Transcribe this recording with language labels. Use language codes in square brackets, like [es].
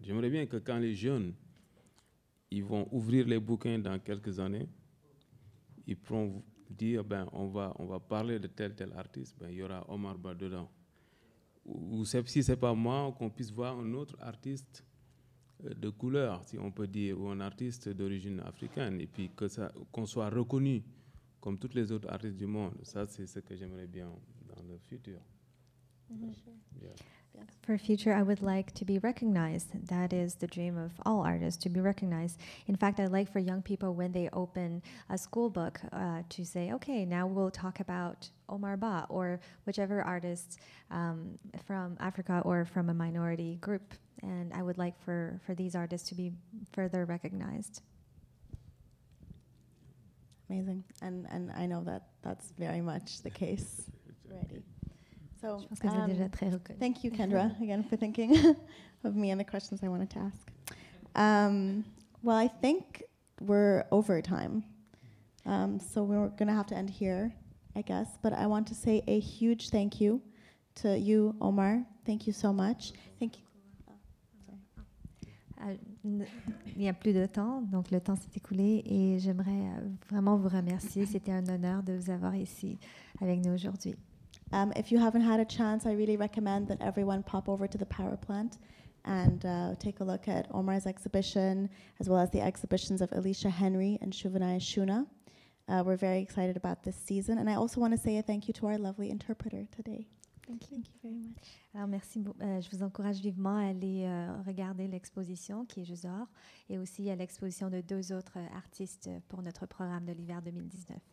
[fr] J'aimerais bien que quand les jeunes, ils vont ouvrir les bouquins dans quelques années, ils pourront dire, ben on va parler de tel artiste, ben il y aura Omar Ba dedans. Ou si c'est pas moi, qu'on puisse voir un autre artiste de couleur, si on peut dire, ou un artiste d'origine africaine, et puis que ça, qu'on soit reconnu comme toutes les autres artistes du monde. Ça, c'est ce que j'aimerais bien dans le futur. Mm-hmm. [en] Yeah. For future, I would like to be recognized. That is the dream of all artists, to be recognized. In fact, I'd like for young people, when they open a school book, to say, okay, now we'll talk about Omar Ba or whichever artist from Africa or from a minority group. And I would like for these artists to be further recognized. Amazing. And I know that that's very much the case already. So, thank you, Kendra, again, for thinking of me and the questions I wanted to ask. Well, I think we're over time, so we're going to have to end here, I guess. But I want to say a huge thank you to you, Omar. Thank you so much. Thank you. [fr] Il n'y a plus de temps, donc le temps s'est écoulé et j'aimerais vraiment vous remercier. C'était un honneur de vous avoir ici avec nous aujourd'hui. [en] If you haven't had a chance, I really recommend that everyone pop over to the power plant and take a look at Omar's exhibition, as well as the exhibitions of Alicia Henry and Shuvanaya Shuna. We're very excited about this season. And I also want to say a thank you to our lovely interpreter today. Thank you very much. [fr] Alors, merci. Je vous encourage vivement à aller regarder l'exposition qui est juste dehors, et aussi à l'exposition de deux autres artistes pour notre programme de l'hiver 2019.